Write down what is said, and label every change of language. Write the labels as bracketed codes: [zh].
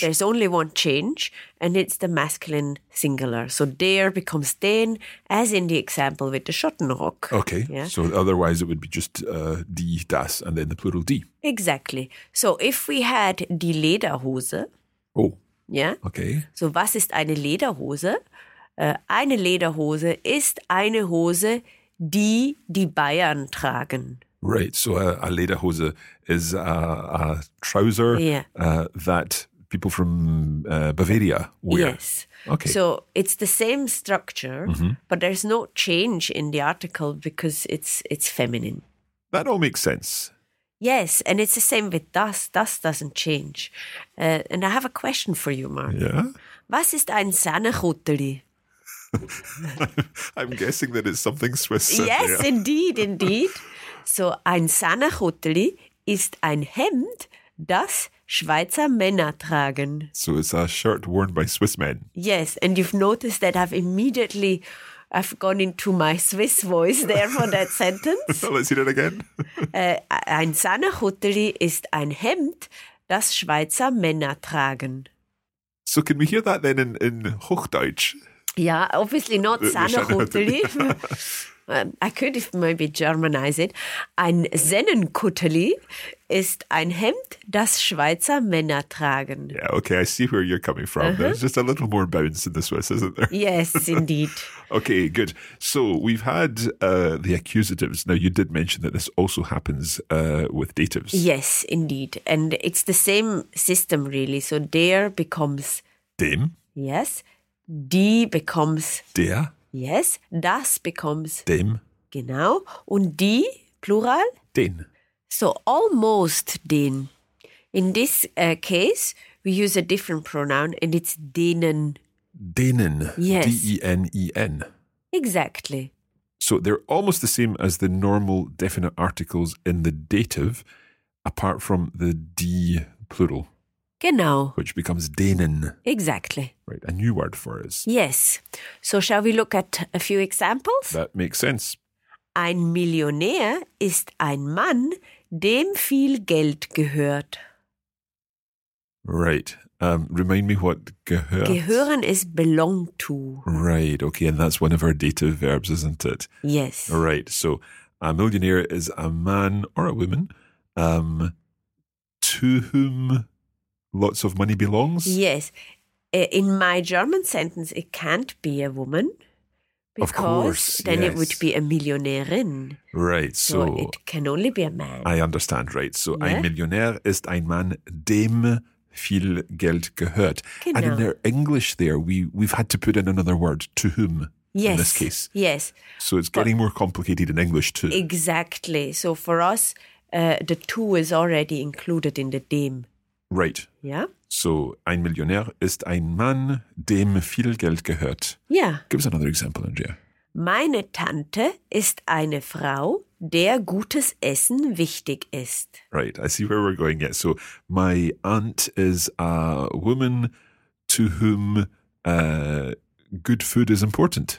[en] There's only one change, and it's the masculine singular. So der becomes den, as in the example with the Schottenrock. Okay. Yeah? So otherwise it would be just die, das, and then the plural die. Exactly. So if we had die Lederhose. Oh. Yeah. Okay. [de] So was ist eine Lederhose? Eine Lederhose ist eine Hose, die Bayern tragen. [en] Right. So a Lederhose is a trouser that people from Bavaria wear. Yes. Okay. So it's the same structure, but there's no change in the article because it's feminine. That all makes sense. Yes, and it's the same with das. Das doesn't change. And I have a question for you, Mark. Yeah? [de] Was ist ein Sahnekutteli? [en] I'm guessing that it's something Swiss. Yes, indeed. So ein Sahnekutteli [de] ist ein Hemd, das Schweizer Männer tragen. [en] So it's a shirt worn by Swiss men. Yes, and you've noticed that I've gone into my Swiss voice there for that sentence. Let's hear it again. [de] Ein Sanachutteli ist ein Hemd, das Schweizer Männer tragen. [en] So can we hear that then in Hochdeutsch? Yeah, obviously not Sanachutteli. I could maybe Germanize it. [de] Ein Sennenkutteli ist ein Hemd, das Schweizer Männer tragen. [en] Yeah, okay, I see where you're coming from. Uh-huh. There's just a little more bounce in the Swiss, isn't there? Yes, indeed. Okay, good. So we've had the accusatives. Now, you did mention that this also happens with datives. Yes, indeed. And it's the same system, really. So der becomes... [de] dem. [en] Yes. Die becomes... [de] der. [en] Yes, das becomes [de] dem. Genau. Und die, plural? Den. [en] So almost den. In this case, we use a different pronoun and it's denen. [de] Denen. [en] Yes. D-E-N-E-N. Exactly. So they're almost the same as the normal definite articles in the dative, apart from the D plural. [de] Genau. [en] Which becomes denen. Exactly. Right, a new word for us. Yes. So shall we look at a few examples? That makes sense. [de] Ein Millionär ist ein Mann, dem viel Geld gehört. [en] Right. Remind me what gehört. Gehören is belong to. Right, okay. And that's one of our dative verbs, isn't it? Yes. Right, so a millionaire is a man or a woman to whom... lots of money belongs? Yes. In my German sentence, it can't be a woman. Because of course, then yes. It would be a Millionärin. Right. So it can only be a man. I understand, right. [de] So yeah. Ein Millionär ist ein Mann, dem viel Geld gehört. Genau. [en] And in their English there, we've had to put in another word, to whom, yes. In this case. Yes. So it's getting more complicated in English too. Exactly. So for us, the to is already included in the dem. Right. Yeah. [de] So, ein Millionär ist ein Mann, dem viel Geld gehört. [en] Yeah. Give us another example, Andrea. [de] Meine Tante ist eine Frau, der gutes Essen wichtig ist. [en] Right. I see where we're going. Yeah. So, my aunt is a woman to whom good food is important.